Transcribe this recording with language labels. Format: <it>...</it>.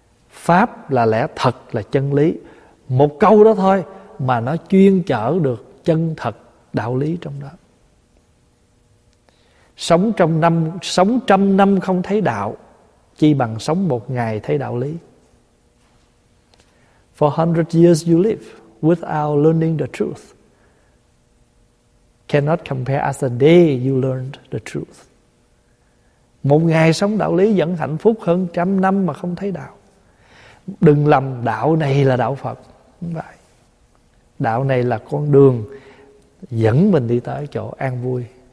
<vi>Pháp là lẽ thật, là chân lý. Một câu đó thôi mà nó chuyên chở được chân thật đạo lý trong đó. Sống trong năm, sống trăm năm không thấy đạo, chi bằng sống một ngày thấy đạo lý.</vi> <en>For 100 years you live without learning the truth cannot compare as the day you learned the truth.</en> <vi>Một ngày sống đạo lý vẫn hạnh phúc hơn trăm năm mà không thấy đạo. Đừng lầm đạo này là đạo Phật. Đúng vậy. Đạo này là con đường dẫn mình đi tới chỗ an vui.</vi>